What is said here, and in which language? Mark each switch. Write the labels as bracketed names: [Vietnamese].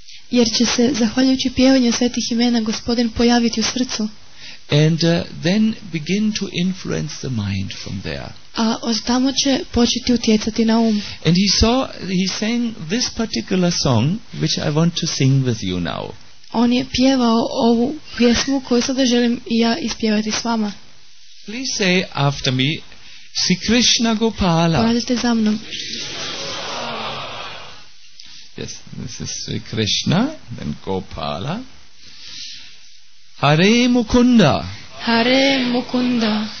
[Croatian] Jer će se zahvaljujući pjevanju svetih imena gospodin pojaviti u srcu. [English] And then begin to influence the mind from there. [Croatian] A od tamo će početi utjecati na um. [English] And he sang this particular song which I want to sing with you now. [Croatian] On je pjevao ovu pjesmu koju sada želim ja ispjevati s vama. [English] Please say after me, Sri Krishna Gopala. [Croatian] Poradite za mnom. [English] Yes, this is Sri Krishna, then Gopala. [Sanskrit] Hare Mukunda. Hare Mukunda.